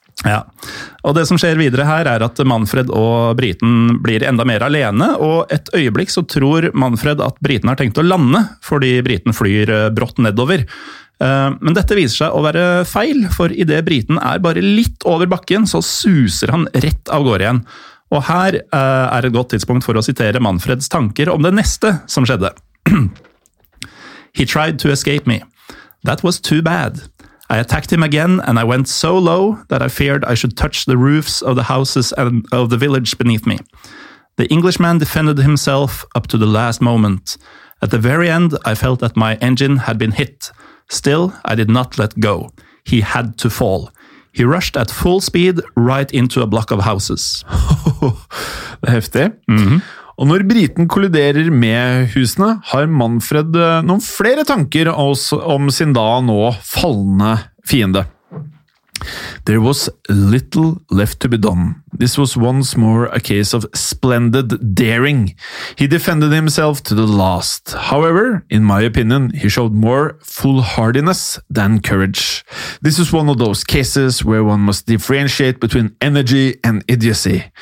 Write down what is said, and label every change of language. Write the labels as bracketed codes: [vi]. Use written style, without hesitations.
[no] Ja, og det som skjer videre her at Manfred og briten blir enda mer alene, og et øyeblikk så tror Manfred at briten har tenkt å lande, fordi briten flyr brått nedover. Men dette viser seg å være feil, for I det briten bare litt over bakken, så suser han rett av gårde igjen. Og her et godt tidspunkt for å sitere Manfreds tanker om det neste som skjedde. [en] «He tried to escape me. That was too bad. I attacked him again, and I went so low that I feared I should touch the roofs of the houses and of the village beneath me. The Englishman defended himself up to the last moment. At the very end, I felt that my engine had been hit.» Still, I did not let go. He had to fall. He rushed at full speed right into a block of houses. [no] Det heftig. Mm-hmm. Og når briten kolliderer med husene, har Manfred noen flere tanker om sin da nå fallende fiende. [en] There was little left to be done. This was once more a case of splendid daring. He defended himself to the last. However, in my opinion, he showed more foolhardiness than courage. This is one of those cases where one must differentiate between energy and idiocy.